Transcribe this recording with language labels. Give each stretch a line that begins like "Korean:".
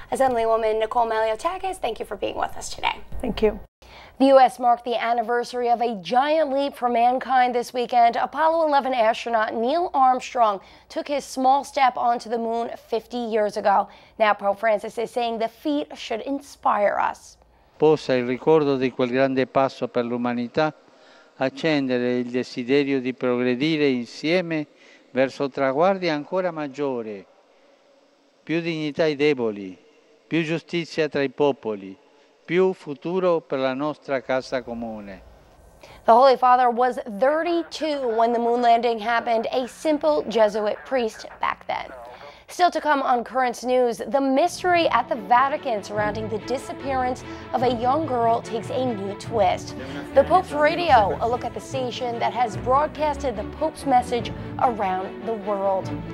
English: Assemblywoman Nicole Meliotakis, thank you for being with us today. Thank you. The U.S. marked the anniversary of a giant leap for mankind this weekend. Apollo 11 astronaut Neil Armstrong took his small step onto the moon 50 years ago. Now Pope Francis is saying the feat should inspire us.
Italian: Possa il ricordo di quel grande passo per l'umanità accendere il desiderio di progredire insieme verso traguardi ancora maggiore, più dignità ai deboli, più giustizia tra i popoli, più futuro per la nostra casa comune.
English: The Holy Father was 32 when the moon landing happened, a simple Jesuit priest back then. Still to come on Currents News, the mystery at the Vatican surrounding the disappearance of a young girl takes a new twist. The Pope's Radio, a look at the station that has broadcasted the Pope's message around the world.